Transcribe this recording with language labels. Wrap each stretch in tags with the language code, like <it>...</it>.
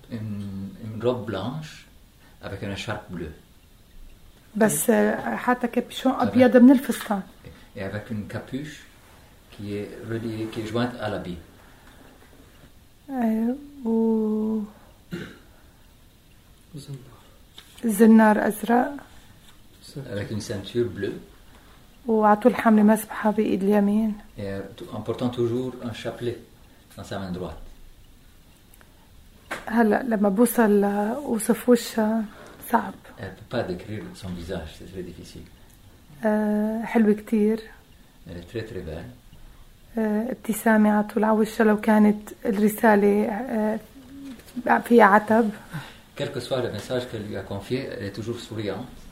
<fr>ام روب بلانش avec une écharpe bleue</fr> <ar>بس حتى كابشون أبيض من الفستان</ar> <fr>et avec une capuche qui est reliée qui est jointe à l'habit</fr> <ar>و زنار أزرق</ar> <fr>avec une ceinture bleue</fr> <ar>وعطوا الحملة مسبحة بإيد اليمين</ar> <fr>et en portant toujours un chapelet dans sa main droite.</fr> <ar>هلا لما بوصل لوصف وشها صعب.</ar> <fr>Elle peut pas décrire son visage, c'est très difficile.</fr> <ar>حلوة كتير.</ar> <fr>Elle est très très belle.</fr> <ar>ابتسامة على طول على وشها لو كانت الرسالة فيها عتب.</ar> <fr>Quel que soit le message qu'elle lui a confié, elle est toujours souriante.</fr>